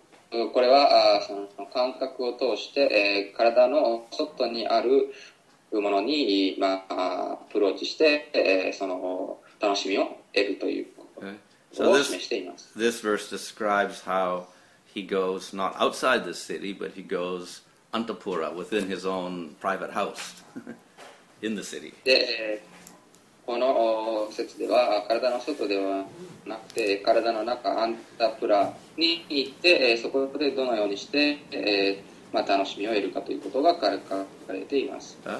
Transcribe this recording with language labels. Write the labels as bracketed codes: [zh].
[ja] これはその感覚を通して体の外にあるものにまあアプローチしてその楽しみを得るということを示しています。 [en] So this verse describes how he goes not outside the city, but he goes antapura within his own private house in the city. [ja] でこの説では体の外ではなくて体の中アンタプラに行ってそこでどのようにして、まあ、楽しみを得るかということが書かれています。